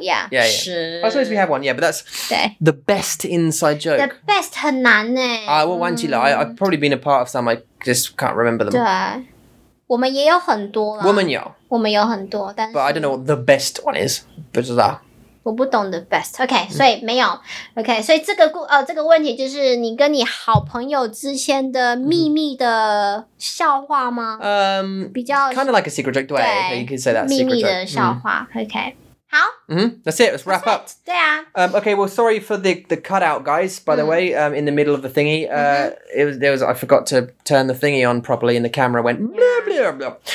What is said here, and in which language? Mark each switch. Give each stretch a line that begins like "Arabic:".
English: yeah. I suppose we have one, yeah, but that's the best inside joke. The best
Chinese: 很难诶. 我忘记了,
English: I've probably been a part of some, I just can't remember them.
Chinese: 对。我们也有很多啦。我们有很多, 但是...
English: But I don't know what the best one is.
Chinese: 不知道。我不懂
English: the best.
Chinese: Okay, 所以没有. Okay, 所以这个问题就是你跟你好朋友之间的秘密的笑话吗?
English: Kind of like a secret joke,
Chinese: 对,
English: you could say that.
Chinese: 秘密的笑话, okay. 好。
English: Mm-hmm. That's it. Let's wrap up.
Chinese: 对啊。
English: Okay. Well, sorry for the cutout, guys. By the way, in the middle of the thingy, I forgot to turn the thingy on properly, and the camera went blah, blah, blah.